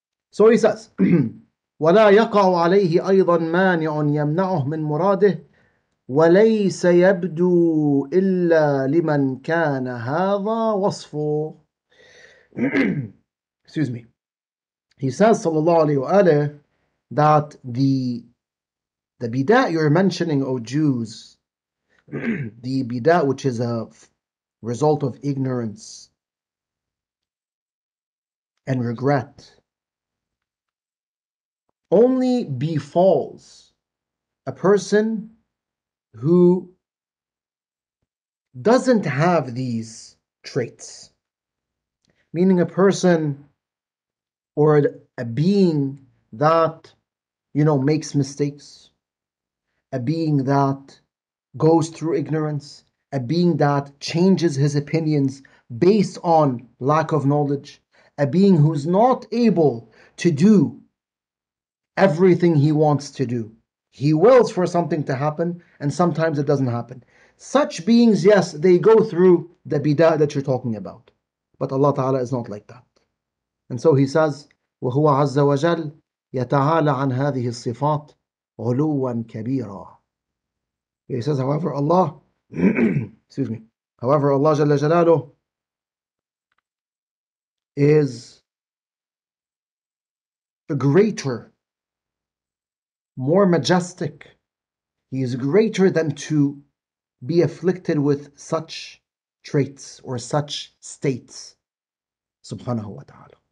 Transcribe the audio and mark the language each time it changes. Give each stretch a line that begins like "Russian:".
English: So he says,
Arabic: وَلَا يَقَعُ عَلَيْهِ أَيْضًا مَانِعٌ يَمْنَعُهُ مِنْ مُرَادِهِ وَلَيْسَ يَبْدُو إِلَّا لِمَنْ كَانَ هَذَا وَصْفُهُ.
English: Excuse me. He says,
Arabic: صلى الله عليه وآله,
English: that the bid'ah you're mentioning, O Jews, the bid'ah which is a result of ignorance and regret, only befalls a person who doesn't have these traits. Meaning a person or a being that, you know, makes mistakes, a being that goes through ignorance, a being that changes his opinions based on lack of knowledge, a being who's not able to do everything he wants to do. He wills for something to happen, and sometimes it doesn't happen. Such beings, yes, they go through the bid'ah that you're talking about. But Allah Ta'ala is not like that. And so he says,
Arabic: وَهُوَ عَزَّ وَجَلْ يَتَعَالَ عَنْ هَذِهِ الصِّفَاتِ غُلُوًا كَبِيرًا.
English: He says, however, Allah, excuse me, however, Allah Jalla Jalaluh is a greater more majestic. He is greater than to be afflicted with such traits or such states. Subhanahu wa ta'ala.